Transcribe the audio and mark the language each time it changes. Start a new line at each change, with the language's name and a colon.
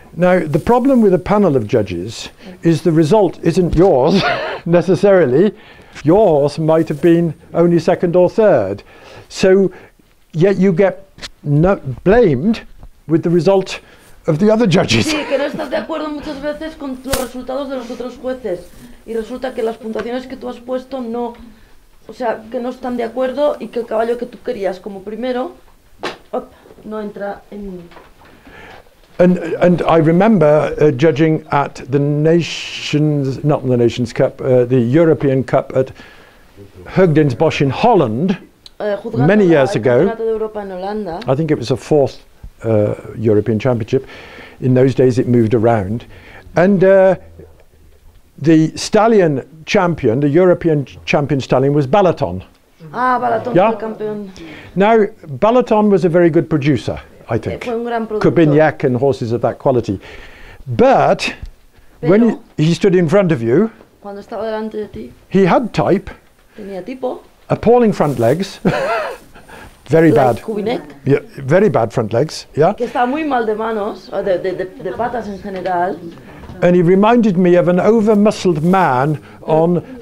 English: Now, the problem with a panel of judges is the result isn't yours, necessarily. Your horse might have been only second or third. So, yet you get blamed with the result of the other judges.
Spanish: Sí, que no estás de acuerdo muchas veces con los resultados de los otros jueces. Y resulta que las puntuaciones que tú has puesto no... O sea, que no están de acuerdo y que el caballo que tú querías como primero... No entra en...
English: And I remember judging at the Nations, not the Nations Cup, the European Cup at Hoogdensbosch in Holland many years ago.
Spanish: De Europa en Holanda.
English: I think it was a 4th European Championship. In those days it moved around. And the stallion champion, the European champion stallion, was Balaton.
Spanish: Ah, Balaton fue campeón.
English: Now, Balaton was a very good producer, I think.
Spanish: Fue un gran productor.
English: Cobignac and horses of that quality. But when he stood in front of you,
Spanish: cuando estaba delante de ti.
English: He had type.
Spanish: Tenía tipo.
English: Appalling front legs. Very like bad. Cubinet. Yeah, very bad front legs. Yeah.
Spanish: Que estaba muy mal de manos, de patas en general.
English: And he reminded me of an over-muscled man on,